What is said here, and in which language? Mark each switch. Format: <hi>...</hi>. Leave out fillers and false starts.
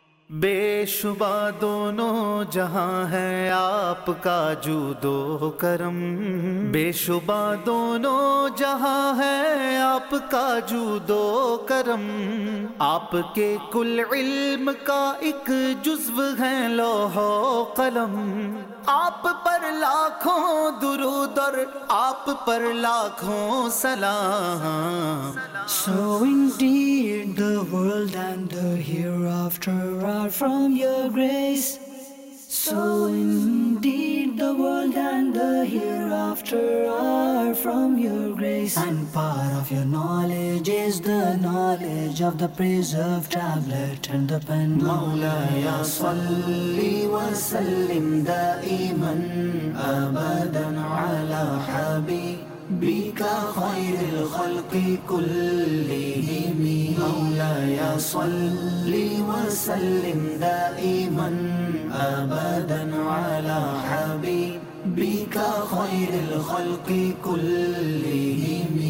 <ur>بے شبہ دونوں جہاں ہے آپ کا جود و کرم, بے شبہ دونوں جہاں ہے آپ کا جود و کرم, آپ کے کل علم کا ایک جزو ہے لوح و قلم, آپ پر لاکھوں درود اور آپ پر لاکھوں سلام.</ur> <en>So indeed the world and the hereafter are from your grace. So indeed the world and the hereafter are from your grace. And part of your knowledge is the knowledge of the preserved tablet and the pen.</en> <ar>Mawla ya salli wa sallim da'iman abadan ala habib بك خير الخلق كلهم, مولاي صل وسلم دائما أبدا على حبيبك خير الخلق كلهم.</ar>